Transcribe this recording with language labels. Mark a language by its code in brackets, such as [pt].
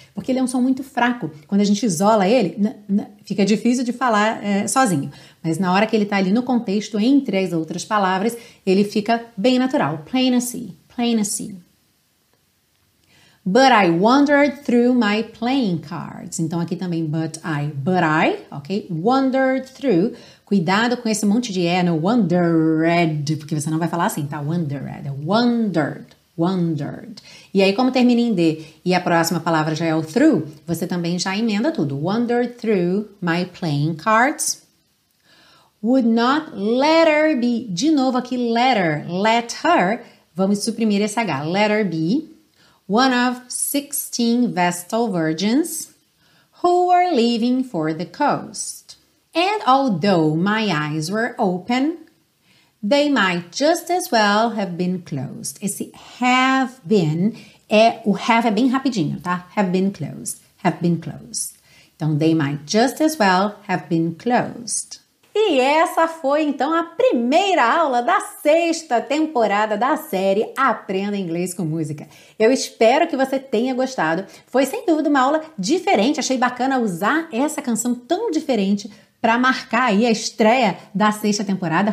[pt] Porque ele é um som muito fraco. Quando a gente isola ele, fica difícil de falar sozinho. Mas na hora que ele tá ali no contexto, entre as outras palavras, ele fica bem natural. [en] Plain as sea, plain as sea. But I wandered through my playing cards. [pt] Então aqui também, [en] but I, ok? Wandered through. [pt] Cuidado com esse monte de E no wandered, porque você não vai falar assim, tá? Wandered, wandered. Wandered. E aí, como termina em D e a próxima palavra já é o through, você também já emenda tudo. [en] Wandered through my playing cards. Would not let her be. [pt] De novo aqui, [en] letter. Let her. [pt] Vamos suprimir esse H. Let her be. [en] One of 16 Vestal virgins who were leaving for the coast. And although my eyes were open, they might just as well have been closed. [pt] Esse have been, o have é bem rapidinho, tá? [en] Have been closed, have been closed. Então, they might just as well have been closed. [pt] E essa foi, então, a primeira aula da sexta temporada da série Aprenda Inglês com Música. Eu espero que você tenha gostado. Foi, sem dúvida, uma aula diferente. Achei bacana usar essa canção tão diferente para marcar aí a estreia da sexta temporada.